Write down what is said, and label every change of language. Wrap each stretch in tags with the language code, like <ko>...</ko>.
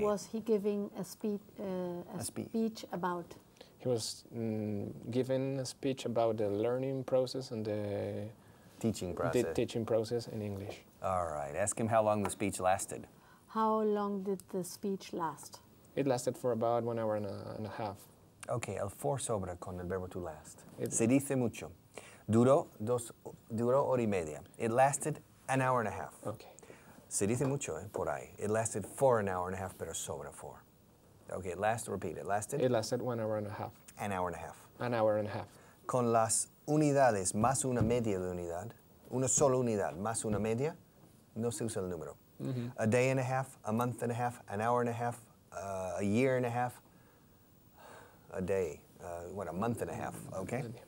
<en>Was he giving a speech about? He was giving a speech about the learning process and the teaching process. Teaching process in English. All right. Ask him how long the speech lasted. How long did the speech last? It lasted for about 1 hour and a half.</en> <es>Okay, el for sobra con el verbo to last. Se dice mucho. Duró hora y media.</es> <en>It lasted an hour and a half. Okay.</en> <es>Se dice mucho, por ahí.</es> <en>It lasted for an hour and a half,</en> <es>pero sobra for. Okay,</es> <en>It lasted 1 hour and a half. An hour and a half. An hour and a half.</en> <es>Con las unidades, más una media de unidad, una sola unidad, más una media, no se usa el número. Mm-hmm.</es> <en>A day and a half, a month and a half, an hour and a half, a year and a half. A day, a month and a half, okay?</en>